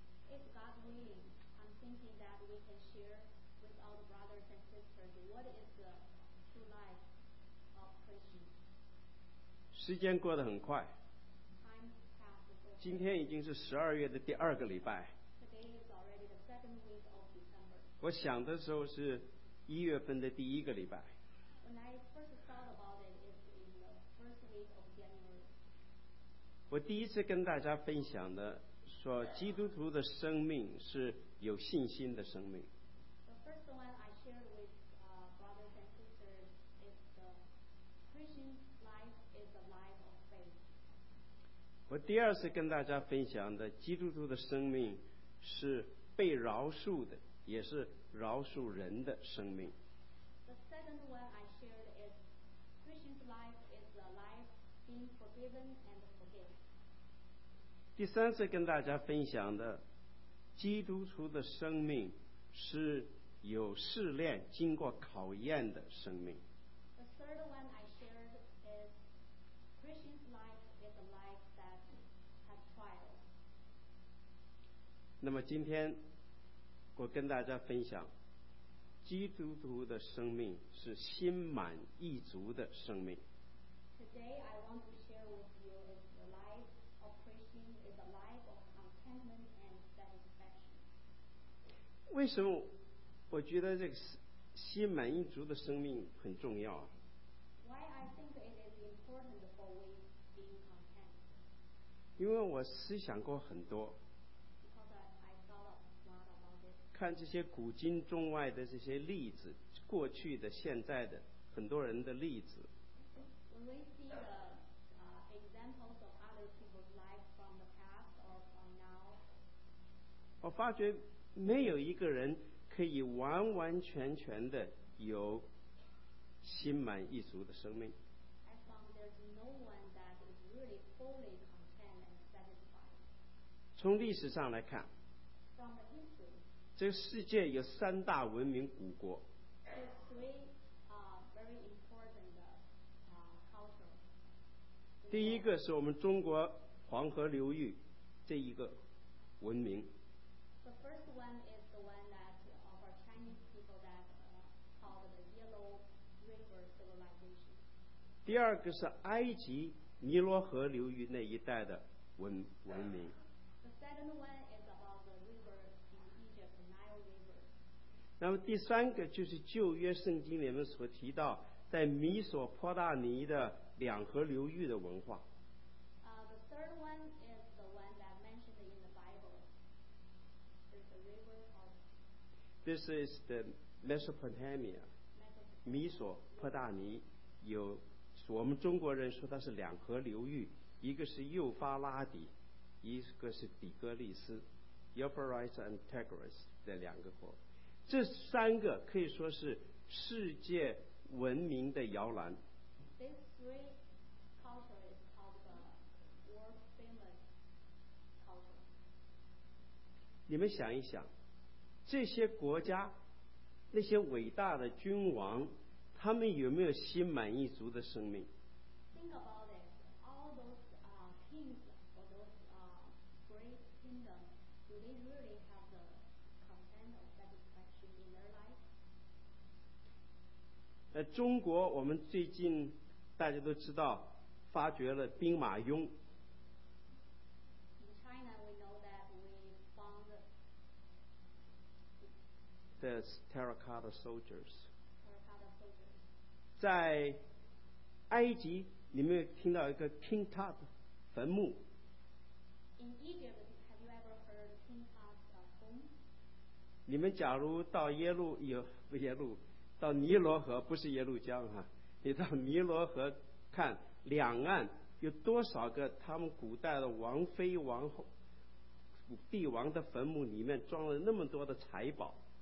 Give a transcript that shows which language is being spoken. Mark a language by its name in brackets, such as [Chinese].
[English] If God willing, I'm thinking that we can share with all the brothers and sisters what is the true life of Christian. [Chinese] 时间过得很快。 [English] Time passes. [Chinese] 今天已经是12月的第二个礼拜。 [English] Today is already the second week of December. [Chinese] 我想的时候是1月份的第一个礼拜。 [English] When I first thought about it, it's in the first week of January. [Chinese] 我第一次跟大家分享的说基督徒的生命是有信心的生命。 [English] The first one I shared with brothers and sisters is the Christian life is a life of faith. [Chinese] 我第二次跟大家分享的基督徒的生命是被饶恕的，也是饶恕人的生命。 [English] The second one I shared is Christian's life is a life being forgiven and forgiven. [Chinese] 第三次跟大家分享的基督徒的生命是有试炼经过考验的生命。 [English] The third one I shared is Christian's life is a life that has trials. [Chinese] 那么今天我跟大家分享基督徒的生命是心满意足的生命。 [English] Today I want to share with you is the lifeOpression is a life of contentment and satisfaction. [Chinese] 为什么我觉得这个心满意足的生命很重要？ [English] Why I think it is important for we being content? [Chinese] 因为我思想过很多。 [English] Because I thought a lot about it. [Chinese] 看这些古今中外的这些例子，过去的、现在的很多人的例子。 [English] When we see theexamples of other people's life from the past or from now. [Chinese] 我发觉没有一个人可以完完全全的有心满意足的生命。 [English] I found there's no one that is really fully content and satisfied. [Chinese] 从历史上来看， [English] from the history, [Chinese] 这个世界有三大文明古国。 [English] There's three very important cultures. [Chinese] 第一个是我们中国黄河流域这一个文明。 [English] The first one is the one that of our Chinese people that called the Yellow River Civilization. [Chinese] 第二个是埃及尼罗河流域那一带的文明。 [English] The second one is about the river in Egypt, the Nile River. [Chinese] 那么第三个就是旧约圣经里面所提到在米索波大尼的两河流域的文化。 [English] The third one is the one that mentioned in the Bible. There's a river called. This is the Mesopotamia. [Chinese] 米索波大尼有，我们中国人说它是两河流域，一个是幼发拉底，一个是底格利斯 ，Euphrates and Tigris 的两个国，这三个可以说是世界文明的摇篮。 [English] This three culture is called the world famous culture. [Chinese] 你们想一想，这些国家那些伟大的君王，他们有没有心满意足的生命？ [English] Think about it. All those kings or those great kingdoms, do they really have the content of satisfaction in their life? [Chinese] 中国我们最近大家都知道发掘了兵马俑。 [English] In China we know that we found the terracotta soldiers. Terracotta soldiers. [Chinese] 在埃及你们听到一个 King Tut 坟墓。 [English] In Egypt, have you ever heard King Tut's tomb? [Chinese] 你们假如到耶路有耶路到尼罗河，不是耶路江哈，你到尼罗河看两岸有多少个他们古代的王妃王后帝王的坟墓里面装了那么多的财宝。